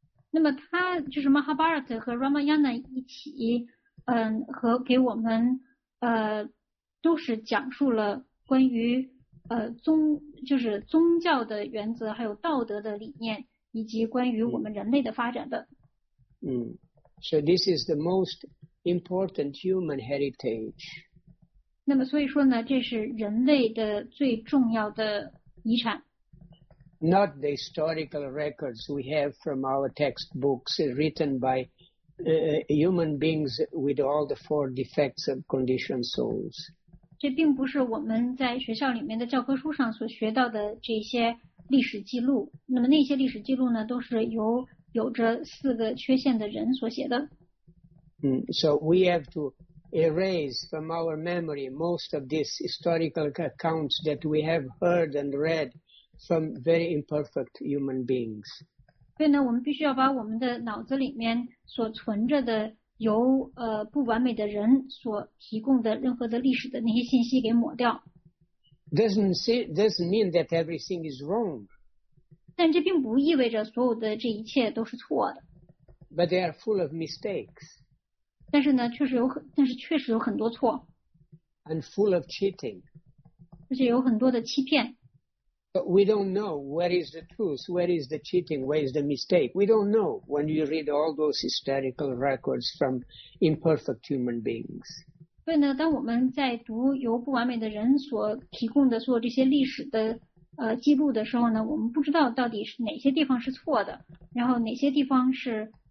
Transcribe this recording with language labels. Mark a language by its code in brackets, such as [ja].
[zh] 那么它就是 Mahabharata 和 Ramayana 一起，和给我们，都是讲述了关于，就是宗教的原则，还有道德的理念，以及关于我们人类的发展的。 [en] So this is the most important human heritage. [zh] 那么所以说呢，这是人类的最重要的遗产。 [en] Not the historical records we have from our textbooks written by human beings with all the four defects of conditioned souls. [zh] 这并不是我们在学校里面的教科书上所学到的这些历史记录。那么那些历史记录呢，都是由有着四个缺陷的人所写的。 [en] So we have to. Erase from our memory most of these historical accounts that we have heard and read from very imperfect human beings. [zh] 所以呢，我们必须要把我们的脑子里面所存着的由不完美的人所提供的任何的历史的那些信息给抹掉。 [en] Doesn't mean that everything is wrong. [zh] 但这并不意味着所有的这一切都是错的。 [en] But they are full of mistakes. [zh] 但是呢，确实有很，但是确实有很多错 [en] ，and full of cheating， [zh] 而且有很多的欺骗。 [en] But we don't know where is the truth, where is the cheating, where is the mistake. We don't know when you read all those historical records from imperfect human beings. [zh] 所以呢，当我们在读由不完美的人所提供的所有这些历史的记录的时候呢，我们不知道到底是哪些地方是错的，然后哪些地方是。